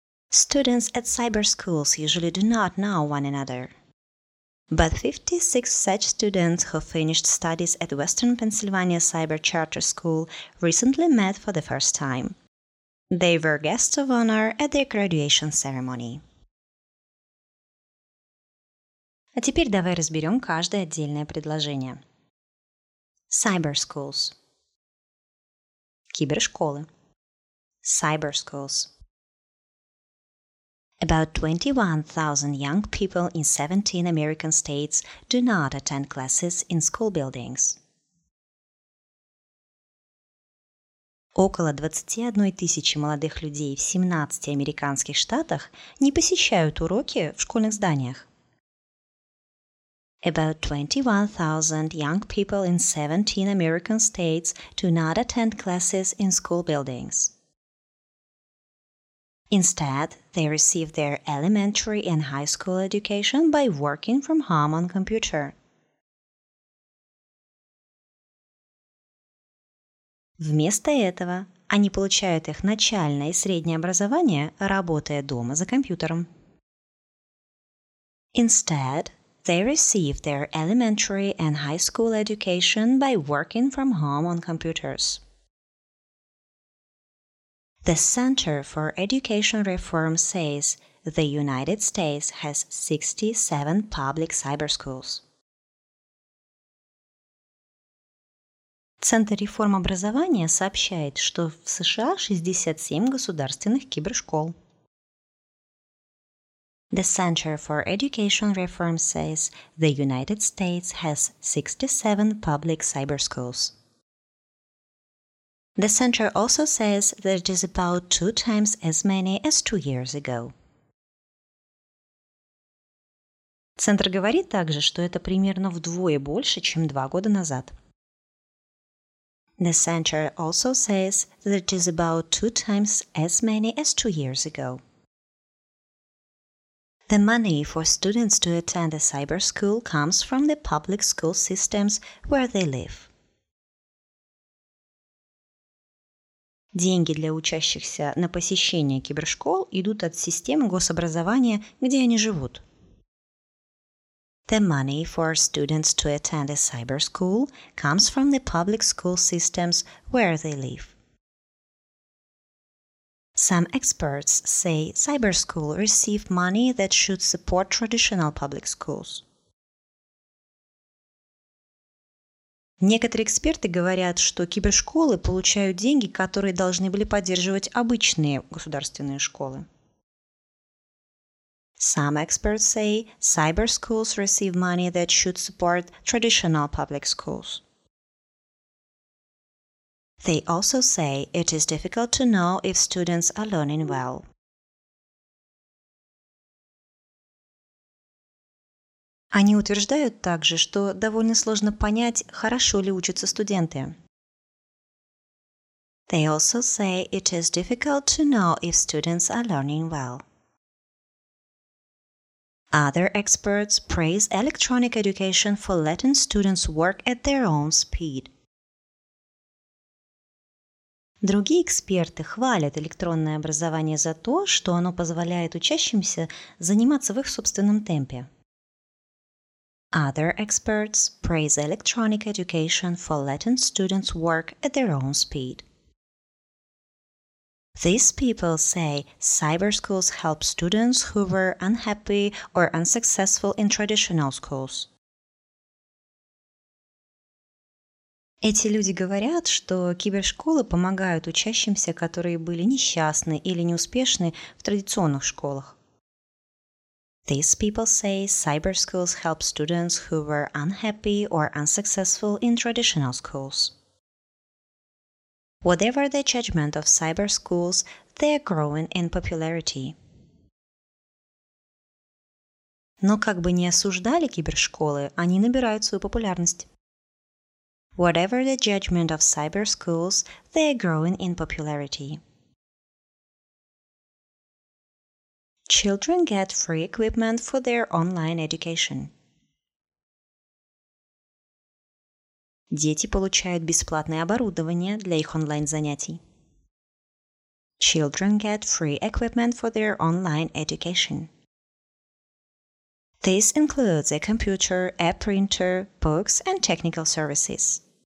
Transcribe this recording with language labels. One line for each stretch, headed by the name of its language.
English: Students at cyber schools usually do not know one another. But 56 such students who finished studies at Western Pennsylvania Cyber Charter School recently met for the first time. They were guests of honor at their graduation ceremony.
Russian: А теперь давай разберем каждое отдельное предложение.
English: Cyber schools.
Russian: Кибершколы.
English: Cyber schools. About 21,000 young people in 17 American states do not attend classes in school buildings.
Russian: Около 21 тысячи молодых людей в 17 американских штатах не посещают уроки в школьных зданиях.
English: About 21,000 young people in 17 American states do not attend classes in school buildings. Instead, they receive their elementary and high school education by working from home on computer.
Russian: Вместо этого, они получают их начальное и среднее образование, работая дома за компьютером.
English: Instead, they receive their elementary and high school education by working from home on computers. The Center for Education Reform says the United States has 67 public cyber schools.
Russian: Центр реформ образования сообщает, что в США 67 государственных кибершкол.
English: The Center for Education Reform says the United States has 67 public cyber schools. The center also says that it is about 2 times as many as 2 years ago.
Russian: Центр говорит также, что это примерно вдвое больше, чем 2 года назад.
English: The center also says that it is about 2 times as many as 2 years ago. The money for students to attend a cyber school comes from the public school systems where they live.
Russian: Деньги для учащихся на посещение кибершкол идут от системы гособразования, где они живут.
English: The money for students to attend a cyber school comes from the public school systems where they live. Some experts say cyber schools receive money that should support traditional public schools.
Russian: Некоторые эксперты говорят, что кибершколы получают деньги, которые должны были поддерживать обычные государственные школы.
English: Some experts say cyber schools receive money that should support traditional public schools. They also say it is difficult to know if students are learning well.
Russian: Они утверждают также, что довольно сложно понять, хорошо ли учатся студенты.
English: They also say it is difficult to know if students are learning well. Other experts praise electronic education for letting students work at their own speed.
Russian: Другие эксперты хвалят электронное образование за то, что оно позволяет учащимся заниматься в их собственном темпе.
English: Other experts praise electronic education for letting students work at their own speed. These people say cyber schools help students who were unhappy or unsuccessful in traditional schools.
Russian: Эти люди говорят, что кибершколы помогают учащимся, которые были несчастны или неуспешны в традиционных школах.
English: These people say cyber schools help students who were unhappy or unsuccessful in traditional schools. Whatever the judgment of cyber schools, they are growing in popularity.
Russian: Но как бы ни осуждали кибершколы, они набирают свою популярность.
English: Whatever the judgment of cyber schools, they are growing in popularity. Children get free equipment for their online education.
Russian: Дети получают бесплатное оборудование для их онлайн-занятий.
English: Children get free equipment for their online education. This includes a computer, a printer, books and technical services.